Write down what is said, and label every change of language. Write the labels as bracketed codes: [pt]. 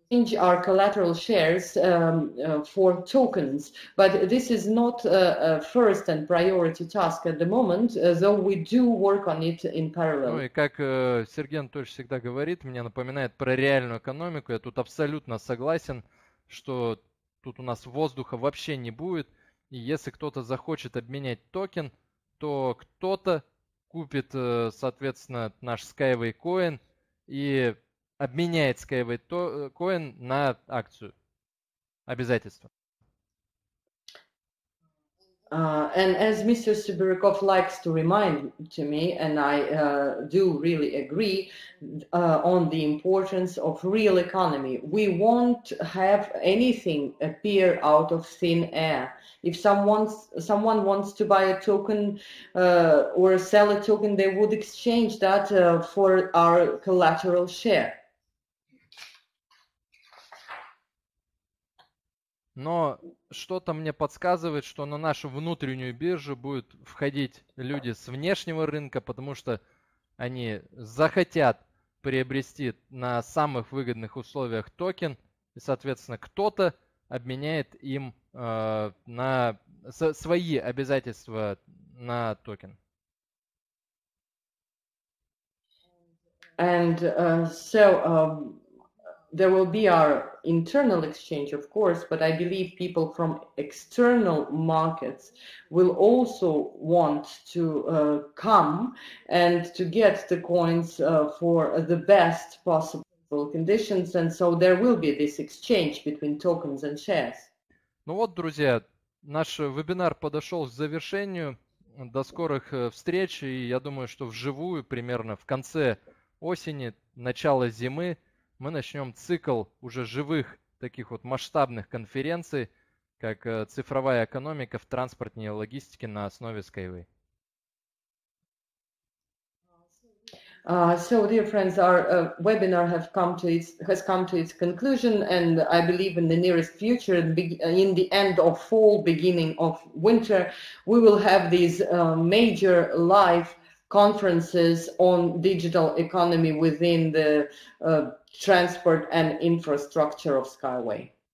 [en] change our collateral shares for tokens, but this is not a first and priority task at the moment, though we do work on it in parallel. [ru] Ну и как Сергей тоже всегда говорит, мне напоминает про реальную экономику. Я тут абсолютно согласен, что тут у нас воздуха вообще не будет. И если кто-то захочет обменять токен, то кто-то купит, соответственно, наш Skyway Coin и обменяет Skyway Coin на акцию. Обязательство. [en] And as Mr. Siberikov likes to remind to me, and I do really agree on the importance of real economy, we won't have anything appear out of thin air. If someone wants to buy a token or sell a token, they would exchange that for our collateral share. [ru] Но что-то мне подсказывает, что на нашу внутреннюю биржу будут входить люди с внешнего рынка, потому что они захотят приобрести на самых выгодных условиях токен, и, соответственно, кто-то обменяет им на свои обязательства на токен. [en] And so there will be our internal exchange, of course, but I believe people from external markets will also want to come and to get the coins for the best possible conditions, and so there will be this exchange between tokens and shares. [ru] Ну вот, друзья, наш вебинар подошел к завершению. До скорых встреч, и я думаю, что вживую, примерно в конце осени, начало зимы, мы начнем цикл уже живых таких вот масштабных конференций, как цифровая экономика в транспортной логистике на основе Skyway. [en] So, dear friends, our webinar has come to its conclusion, and I believe in the nearest future, in the end of fall, beginning of winter, we will have these major live conferences on digital economy within the transport and infrastructure of Skyway.